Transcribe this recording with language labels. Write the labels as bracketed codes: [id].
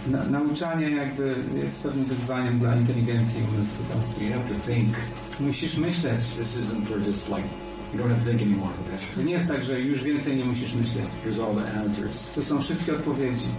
[pl] Nauczanie jakby jest pewnym wyzwaniem dla inteligencji umysłu. [en] You have to think. [pl] Musisz myśleć. [en] This isn't for just like you don't have to think anymore. [pl] To nie jest tak, że już więcej nie musisz myśleć. [en] Here's all the answers. [pl] To są wszystkie odpowiedzi.